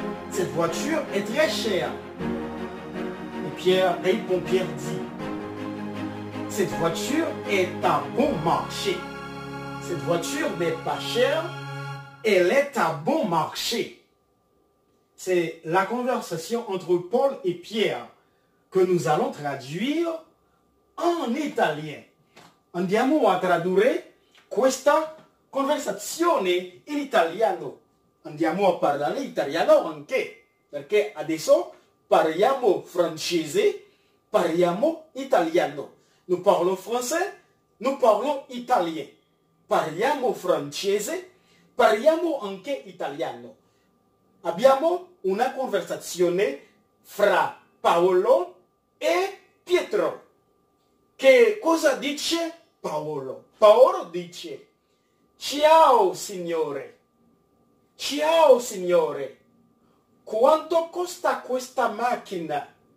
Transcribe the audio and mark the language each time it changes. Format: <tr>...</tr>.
<fr>Cette voiture est très chère. Et Pierre répond, Pierre dit, cette voiture est à bon marché. Cette voiture n'est pas chère, elle est à bon marché. C'est la conversation entre Paul et Pierre que nous allons traduire en italien.</fr> <it>Andiamo a tradurre questa conversazione in italiano. Andiamo a parlare italiano anche. Perché adesso parliamo francese, parliamo italiano.</it> <fr>Nous parlons français, nous parlons italien.</fr> <it>Parliamo francese, parliamo anche italiano. Abbiamo una conversazione fra Paolo e Pietro. Che cosa dice Paolo? Paolo dice, ciao signore, quanto costa questa macchina?</it>